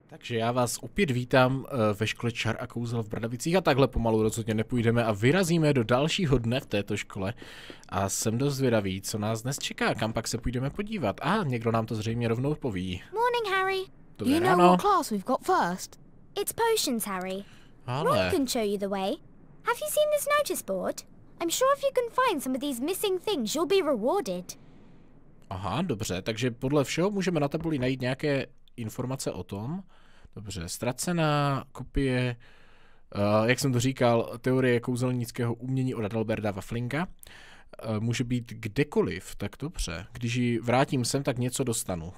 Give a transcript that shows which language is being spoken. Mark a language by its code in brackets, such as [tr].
[cs] Takže já vás opět vítám ve škole Čar a kouzel v Bradavicích a takhle pomalu rozhodně nepůjdeme a vyrazíme do dalšího dne v této škole a jsem dost zvědavý, co nás dnes čeká, kam pak se půjdeme podívat. A někdo nám to zřejmě rovnou poví. [en] Morning, Harry. [cs] Dobré ráno. [en] You know what class we've got first? It's potions, Harry. [cs] Ale... [en] Ron can show you the way. Have you seen this notice board? I'm sure if you can find some of these missing things, you'll be rewarded. [cs] Aha, dobře, takže podle všeho můžeme na tabuli najít nějaké informace o tom. Dobře, ztracená kopie, jak jsem to říkal, teorie kouzelnického umění od Adalberta Wafflinga. Může být kdekoliv, tak dobře. Když ji vrátím sem, tak něco dostanu.